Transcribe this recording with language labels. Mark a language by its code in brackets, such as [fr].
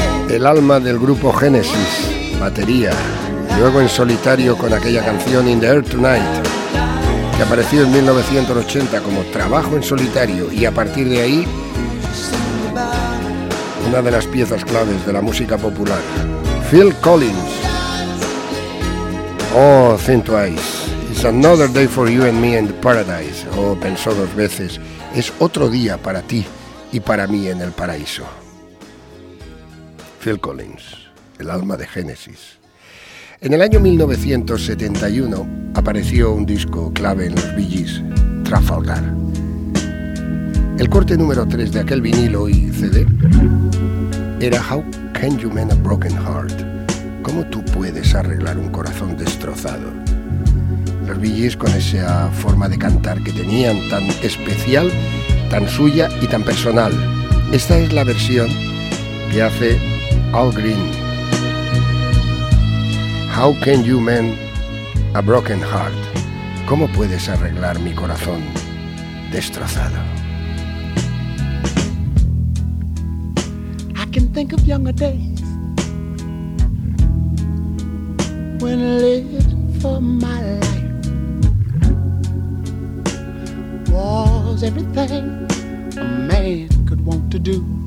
[es] El alma del grupo Genesis, batería, luego en solitario con aquella canción In the Air Tonight, que apareció en 1980 como trabajo en solitario y a partir de ahí una de las piezas claves de la música popular. Phil Collins. [en] Oh, Think Twice, It's Another Day for You and Me in Paradise. [es] Oh, pensó dos veces, es otro día para ti y para mí en el paraíso. Phil Collins, el alma de Genesis. En el año 1971 apareció un disco clave en los Bee Gees, Trafalgar. El corte número 3 de aquel vinilo y CD era How Can You Mend a Broken Heart? ¿Cómo tú puedes arreglar un corazón destrozado? Los Bee Gees, con esa forma de cantar que tenían, tan especial, tan suya y tan personal. Esta es la versión que hace Al Green. How Can You Mend a Broken Heart? ¿Cómo puedes arreglar mi corazón destrozado? [en] I can think of younger days when living for my life was everything a man could want to do.